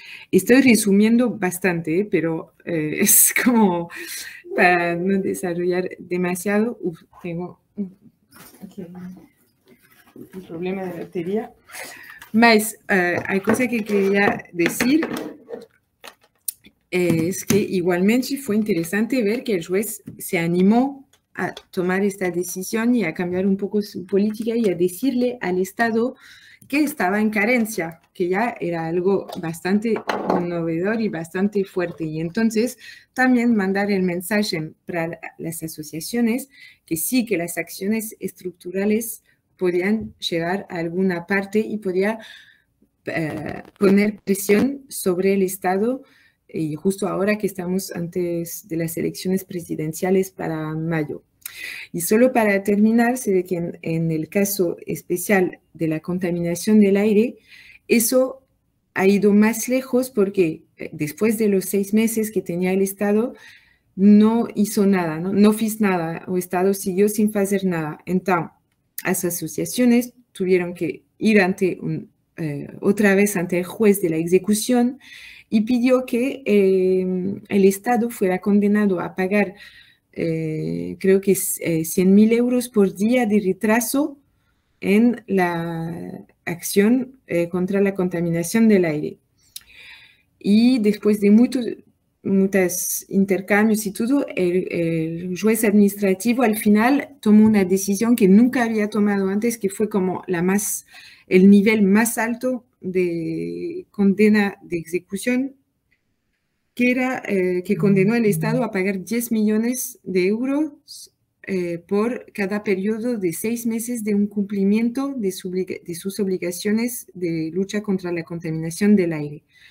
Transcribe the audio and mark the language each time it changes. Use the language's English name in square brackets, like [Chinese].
[Spanish] Estoy resumiendo bastante, pero es como para no desarrollar demasiado. Tengo un problema de batería. [Portuguese] Mas a coisa que queria dizer é que, igualmente, foi interessante ver que o juiz se animou a tomar esta decisão e a cambiar um pouco sua política e a dizer-lhe ao Estado que estava em carência, que já era algo bastante novedor e bastante forte. E, então, também mandar o mensagem para as associações que sim, que as ações estruturais [Spanish] podían llegar a alguna parte y podía poner presión sobre el Estado. [Portuguese] Y justo ahora que estamos antes de las elecciones presidenciales para mayo. [Spanish] Y solo para terminar, se ve que en el caso especial de la contaminación del aire, eso ha ido más lejos porque después de los 6 meses que tenía el Estado, no hizo nada, no hizo nada, o Estado siguió sin hacer nada. [Portuguese] Entonces, as associações tiveram que ir ante outra vez ante o juez de la execução e pediu que o Estado fuera condenado a pagar, creo que 100.000 euros por dia de retraso em la acção contra a contaminação do aire. E depois de muitos intercâmbios [Spanish] y todo, el juez administrativo al final tomó una decisión que nunca había tomado antes, que fue como el nivel más alto de condena de ejecución, que era que condenó al Estado a pagar 10 millones de euros por cada periodo de 6 meses de un cumplimiento de sus obligaciones de lucha contra la contaminación del aire.